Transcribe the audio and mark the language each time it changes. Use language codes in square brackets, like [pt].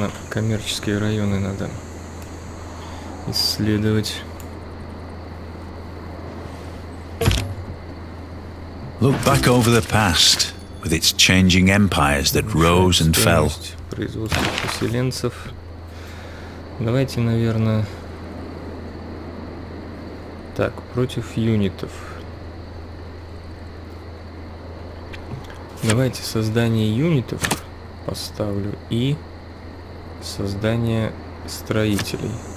[ru] Коммерческие районы надо исследовать. [en] Look back over the past with its changing empires that rose and fell. [ru] Производство поселенцев. Давайте, наверное, так, против юнитов. Давайте создание юнитов поставлю и создание строителей.